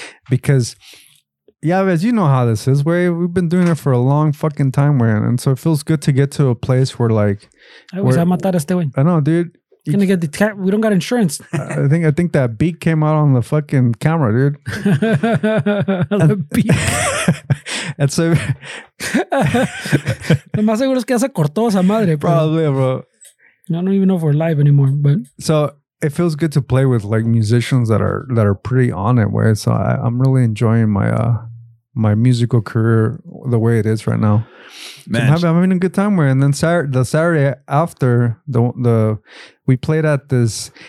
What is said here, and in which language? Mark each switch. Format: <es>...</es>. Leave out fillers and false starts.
<en>Because, yeah, as you know how this is, we've been doing it for a long fucking time. And so it feels good to get to a place where like... I know, dude. Gonna get the we don't got insurance. I think that beat came out on the fucking camera, dude. The beat. And so</en> <es>lo más seguro es que ya se cortó esa madre,</es> <en>probably, bro. I don't even know if we're live anymore, but so it feels good to play with like musicians that are pretty on it. Where so I'm really enjoying my my musical career the way it is right now. Man, so I'm having a good time with it. And then the Saturday after the we played at this.</en>